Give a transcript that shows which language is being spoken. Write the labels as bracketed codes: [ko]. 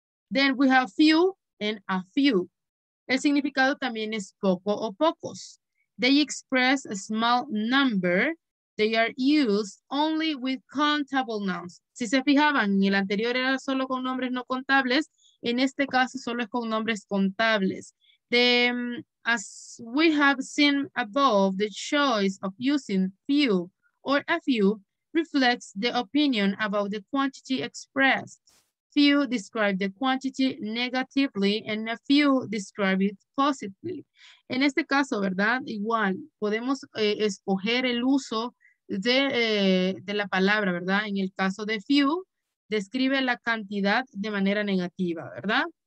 [en] Then we have few and a few. [es] El significado también es poco o pocos. [en] They express a small number. They are used only with countable nouns. [es] Si se fijaban, en el anterior era solo con nombres no contables. En este caso solo es con nombres contables. [en] Then, as we have seen above, the choice of using few or a few reflects the opinion about the quantity expressed. Few describe the quantity negatively and a few describe it positively. [es] En este caso, ¿verdad? Igual, podemos escoger el uso de la palabra, ¿verdad? En el caso de few, describe la cantidad de manera negativa, ¿verdad?